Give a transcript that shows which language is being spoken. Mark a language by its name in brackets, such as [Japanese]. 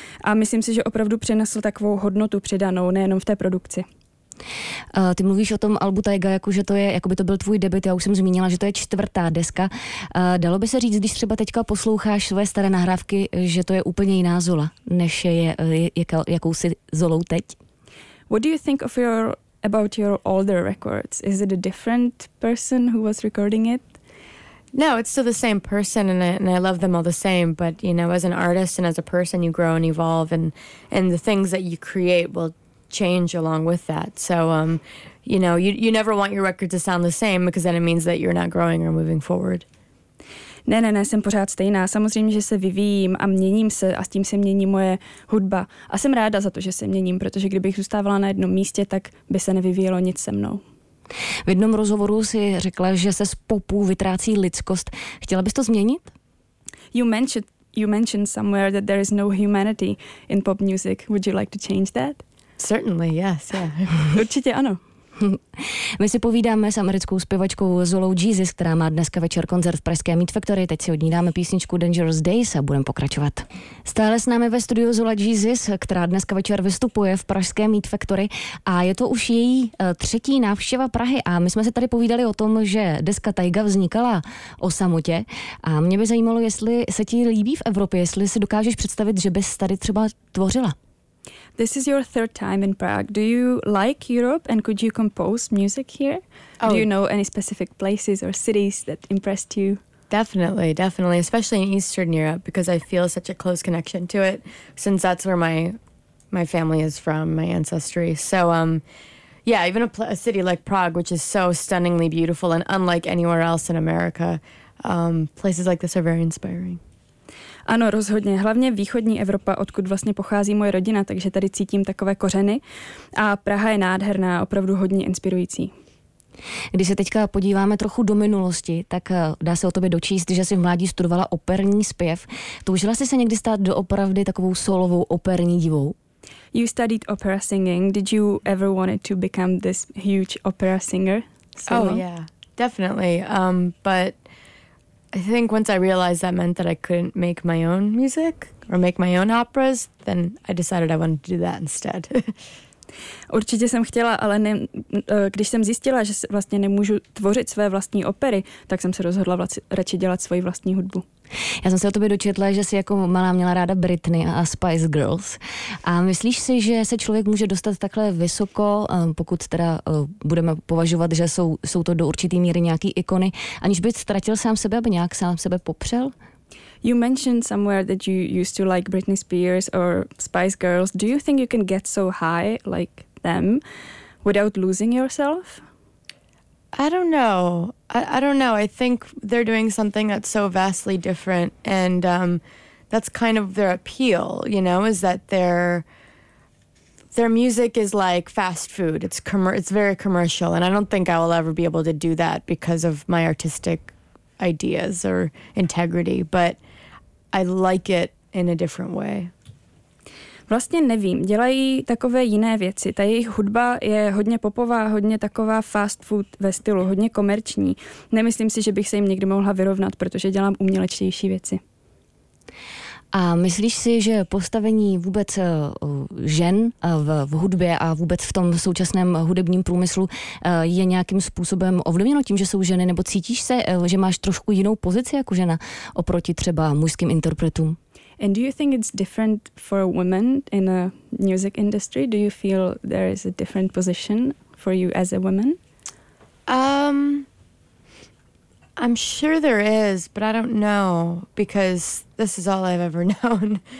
[Czech] A myslím si, že opravdu přinesl takovou hodnotu přidanou, nejenom v té produkci. Ty mluvíš o tom albu Taiga, jakože to je, jako by to byl tvůj debut. Já už jsem zmínila, že to je čtvrtá deska. Dalo by se říct, když třeba teďka posloucháš své staré nahrávky, že to je úplně jiná Zola, než je jakousi Zolou teď? [English] What do you think of your... About your older records, is it a different person who was recording it? No, it's still the same person, and I love them all the same. But you know, as an artist and as a person, you grow and evolve, and the things that you create will change along with that. So, you know, you never want your record to sound the same, because then it means that you're not growing or moving forward. [Czech] Ne, jsem pořád stejná. Samozřejmě, že se vyvíjím a měním se a s tím se mění moje hudba. A jsem ráda za to, že se měním, protože kdybych zůstávala na jednom místě, tak by se nevyvíjelo nic se mnou. V jednom rozhovoru si řekla, že se z popu vytrácí lidskost. Chtěla bys to změnit? [English] You mentioned somewhere that there is no humanity in pop music. Would you like to change that? Certainly, yes. Yeah. [Czech] Určitě ano. My si povídáme s americkou zpěvačkou Zolou Jesus, která má dneska večer koncert v pražské Meat Factory. Teď si od ní dáme písničku Dangerous Days a budeme pokračovat. Stále s námi ve studiu Zola Jesus, která dneska večer vystupuje v pražské Meat Factory, a je to už její třetí návštěva Prahy. A my jsme se tady povídali o tom, že deska Taiga vznikala o samotě. A mě by zajímalo, jestli se ti líbí v Evropě, jestli si dokážeš představit, že bys tady třeba tvořila. [English] This is your third time in Prague. Do you like Europe and could you compose music here? Oh. Do you know any specific places or cities that impressed you? Definitely, especially in Eastern Europe, because I feel such a close connection to it, since that's where my family is from, my ancestry. So yeah, even a city like Prague, which is so stunningly beautiful and unlike anywhere else in America, places like this are very inspiring. [Czech] Ano, rozhodně. Hlavně východní Evropa, odkud vlastně pochází moje rodina, takže tady cítím takové kořeny. A Praha je nádherná, opravdu hodně inspirující. Když se teďka podíváme trochu do minulosti, tak dá se o tobě dočíst, že jsi v mládí studovala operní zpěv. Toužila jsi se někdy stát doopravdy takovou solovou operní divou? [English] You studied opera singing. Did you ever wanted to become this huge opera singer? Solo? Oh yeah, definitely. But I think once I realized that meant that I couldn't make my own music or make my own operas, then I decided I wanted to do that instead. [Czech] Určitě jsem chtěla, ale ne, když jsem zjistila, že vlastně nemůžu tvořit své vlastní opery, tak jsem se rozhodla radši dělat svoji vlastní hudbu. Já jsem se o tobě dočetla, že jsi jako malá měla ráda Britney a Spice Girls. A myslíš si, že se člověk může dostat takhle vysoko, pokud teda budeme považovat, že jsou to do určitý míry nějaký ikony, aniž by ztratil sám sebe, aby nějak sám sebe popřel? [English] You mentioned somewhere that you used to like Britney Spears or Spice Girls. Do you think you can get so high like them without losing yourself? I don't know. I think they're doing something that's so vastly different, and that's kind of their appeal, you know, is that their music is like fast food. It's very commercial, and I don't think I will ever be able to do that because of my artistic ideas or integrity, but I like it in a different way. [Czech] Vlastně nevím, dělají takové jiné věci. Ta jejich hudba je hodně popová, hodně taková fast food ve stylu, hodně komerční. Nemyslím si, že bych se jim někdy mohla vyrovnat, protože dělám umělečtější věci. A myslíš si, že postavení vůbec žen v hudbě a vůbec v tom současném hudebním průmyslu je nějakým způsobem ovlivněno tím, že jsou ženy, nebo cítíš se, že máš trošku jinou pozici jako žena oproti třeba mužským interpretům? [English] And do you think it's different for women in a music industry? Do you feel there is a different position for you as a woman? I'm sure there is, but I don't know because this is all I've ever known.